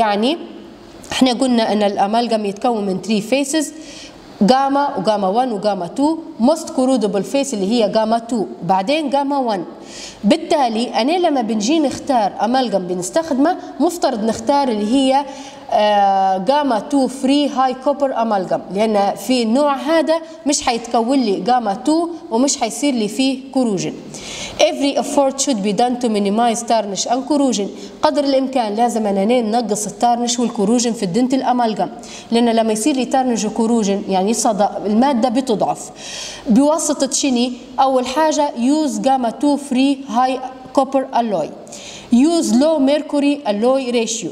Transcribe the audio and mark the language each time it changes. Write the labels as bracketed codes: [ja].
[ar] يعني احنا قلنا ان الأمالغم يتكون من [en] three faces [ar] جاما وجاما 1 وجاما 2 [en] most corrodible face [ar] اللي هي جاما 2 بعدين جاما 1. بالتالي أنا لما بنجي نختار أمالغم بنستخدمه مفترض نختار اللي هي جاما 2 [en] free high copper [ar] أمالغم، لأن في النوع هذا مش هيتكون لي جاما 2 ومش هيصير لي فيه كروجن. [en] Every effort should be done to minimize tarnish and corrosion. [ar] قدر الإمكان لازم أنا ننقص التارنش والكروجن في الدنت الأمالغم، لأن لما يصير لي تارنش وكروجن يعني صدى المادة بتضعف. بواسطة شني؟ أول حاجة [en] use gamma 2 free high copper alloy. Use low mercury alloy ratio.